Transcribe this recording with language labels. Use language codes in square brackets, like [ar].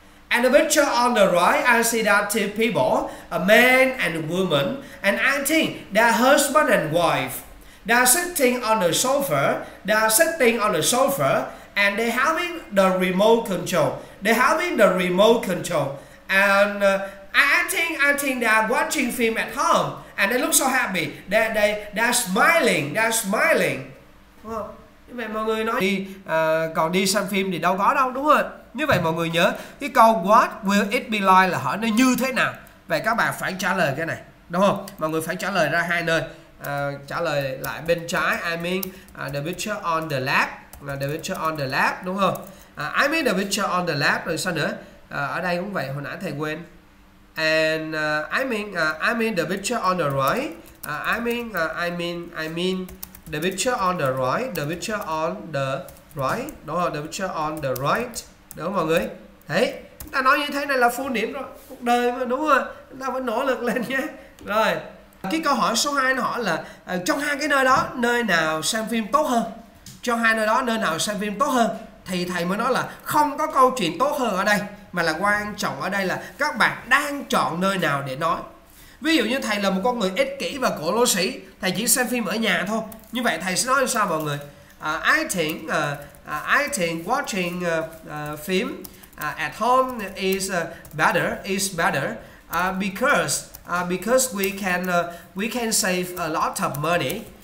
[en] And the picture on the right, I see that two people, a man and a woman, and I think their husband and wife, they are sitting on the sofa, and they having the remote control. And I think they are watching film at home, and they look so happy. They are smiling. [vi] Như vậy mọi người nói đi, còn đi xem phim thì đâu có đâu, đúng không? Như vậy mọi người nhớ cái câu [en] what will it be like [vi] là hỏi nó như thế nào. Vậy các bạn phải trả lời cái này, đúng không? Mọi người phải trả lời ra hai nơi. Trả lời lại bên trái, [en] I mean the picture on the left. The picture on the left, [vi] đúng không? [en] I mean the picture on the left, [vi] rồi sao nữa? Ở đây cũng vậy, hồi nãy thầy quên. [en] And I mean the picture on the right. I mean the picture on the right. The picture on the right. [vi] Đúng không? [en] The picture on the right. [vi] Đúng không mọi người? Đấy, chúng ta nói như thế này là phụ điểm rồi. Cuộc đời mà, đúng không? Chúng ta vẫn nỗ lực lên nhé. Rồi, cái câu hỏi số 2 nó hỏi là trong hai cái nơi đó, nơi nào xem phim tốt hơn? Trong hai nơi đó, nơi nào xem phim tốt hơn? Thì thầy mới nói là không có câu chuyện tốt hơn ở đây, mà là quan trọng ở đây là các bạn đang chọn nơi nào để nói. Ví dụ như thầy là một con người ích kỷ và cổ lỗ sĩ, thầy chỉ xem phim ở nhà thôi. Như vậy thầy sẽ nói sao mọi người? [en] I think watching film at home is better because we can save a lot of money.